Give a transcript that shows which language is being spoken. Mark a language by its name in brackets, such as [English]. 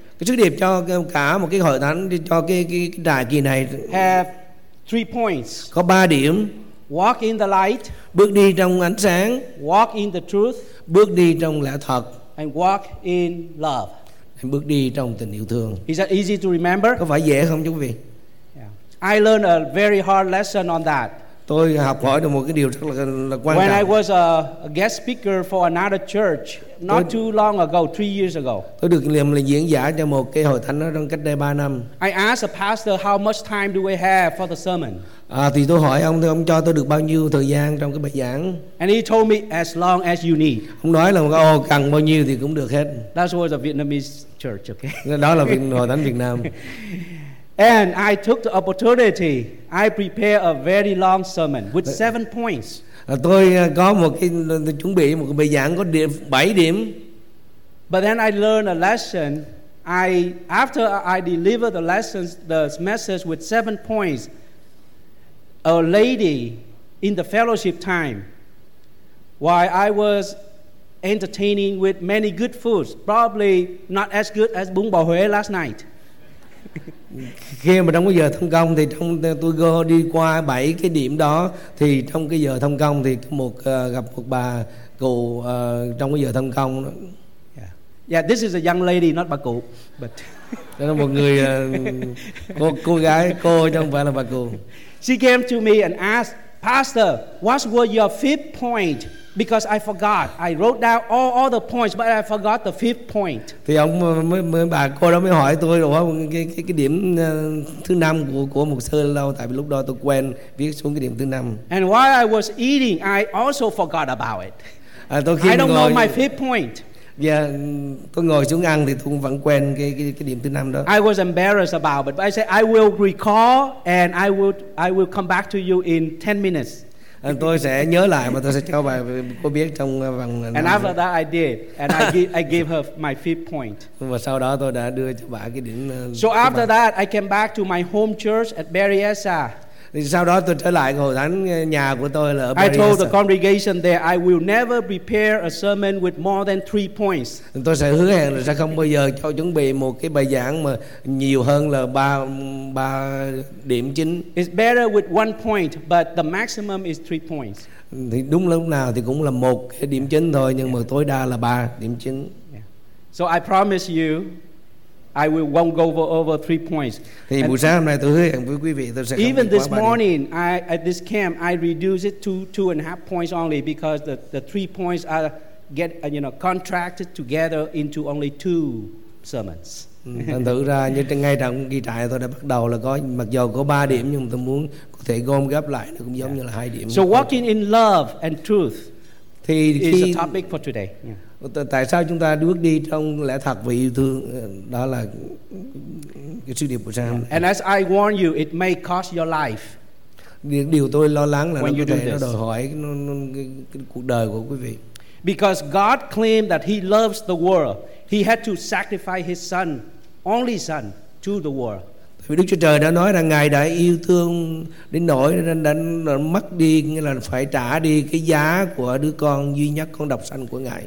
[Vietnamese] Cái sứ điệp cho cả một cái hội thánh, cho cái đại kỳ này. [English] Have 3 points. [Vietnamese] Có 3 điểm. [English] Walk in the light. [Vietnamese] Bước đi trong ánh sáng. [English] Walk in the truth. [Vietnamese] Bước đi trong lẽ thật. [English] And walk in love. [Vietnamese] Bước đi trong tình yêu thương. [English] Is that easy to remember? [Vietnamese] Có phải dễ không quý vị? [English] Yeah. I learned a very hard lesson on that. [Vietnamese] Tôi học hỏi được một cái điều rất là quan [English] when [Vietnamese] trọng. [English] I was a guest speaker for another church not [Vietnamese] tôi, [English] too long ago, 3 years ago. [Vietnamese] Tôi được làm là diễn giả cho một cái hội thánh đó trong cách đây 3 năm. [English] I asked the pastor how much time do we have for the sermon. [Vietnamese] Thì tôi hỏi ông, thì ông cho tôi được bao nhiêu thời gian trong cái bài giảng. [English] And he told me as long as you need. [Vietnamese] Ông nói là cần bao nhiêu thì cũng được hết. [English] That was a Vietnamese church, okay. [Vietnamese] Đó là hội thánh Việt Nam. [English] And I took the opportunity. I prepare a very long sermon with 7 points. [Vietnamese] Tôi có một cái chuẩn bị một cái bài giảng có 7 điểm. [English] But then I learned a lesson. After I deliver the lessons, the message with 7 points, a lady in the fellowship time, while I was entertaining with many good foods, probably not as good as bún bò Huế last night. [Vietnamese] Khi mà trong cái giờ thông công thì tôi đi qua 7 cái điểm đó, thì trong cái giờ thông công thì gặp một bà cụ trong cái giờ thông công. [English] Yeah. Yeah, this is a young lady, not [Vietnamese] bà cụ. [English] But [Vietnamese] đó là một người cô gái chứ không phải là bà cụ. [English] She came to me and asked, "Pastor, what was your 5th point?" Because I forgot. I wrote down all the points, but I forgot the 5th point. [Vietnamese] Thì ông mới bà cô đó mới hỏi tôi là cái điểm thứ năm của mục sư lâu, tại vì lúc đó tôi quên viết xuống cái điểm thứ năm. [English] And while I was eating, I also forgot about it. I don't know my 5th point. [Vietnamese] Yeah, tôi ngồi xuống ăn thì tôi cũng vẫn quên cái điểm thứ năm đó. [English] I was embarrassed about it, but I said I will recall and I will come back to you in 10 minutes. [Vietnamese] Tôi sẽ nhớ lại mà tôi sẽ cho bà cô biết trong vòng. [English] And after that I did, and I gave her my 5th point. [Vietnamese] Và sau đó tôi đã đưa cho bà cái điểm. [English] So after that I came back to my home church at Berryessa. [Vietnamese] Sau đó tôi trở lại hội thánh nhà của tôi là ở Berryessa. [English] I told the congregation there I will never prepare a sermon with more than 3 points. [Vietnamese] Tôi sẽ hứa hẹn là sẽ không bao giờ cho chuẩn bị một cái bài giảng mà nhiều hơn là ba điểm chính. [English] It's better with 1 point, but the maximum is 3 points. [Vietnamese] Thì đúng lúc nào thì cũng là một cái điểm chính thôi, nhưng mà tối đa là 3 điểm chính. [English] So I promise you, I will won't go over three points. [Vietnamese] Thì buổi sáng hôm nay tôi hứa hẹn với quý vị tôi sẽ [English] even this morning I at this camp I reduce it to 2.5 points only because the 3 points are get you know contracted together into only 2 sermons. [Vietnamese] Thành thử ra như trên ngay trong ghi trại tôi đã bắt đầu là có mặc dù có 3 điểm nhưng tôi muốn có thể gom gấp lại nó cũng giống như là 2 điểm. [English] So walking in love and truth [Vietnamese] thì [English] is a topic for today. [Vietnamese] Tại sao chúng ta bước đi trong lẽ thật và yêu thương đó là cái sứ điệp của sao? [English] And as I warn you, it may cost your life. [Vietnamese] Điều tôi lo lắng là nó có thể đòi hỏi cái cuộc đời của quý vị. [English] Because God claimed that He loves the world, He had to sacrifice His Son, only Son, to the world. [Vietnamese] Tại vì Đức Chúa Trời đã nói rằng Ngài đã yêu thương đến nỗi đã mất đi nghĩa là phải trả đi cái giá của đứa con duy nhất con độc sanh của Ngài.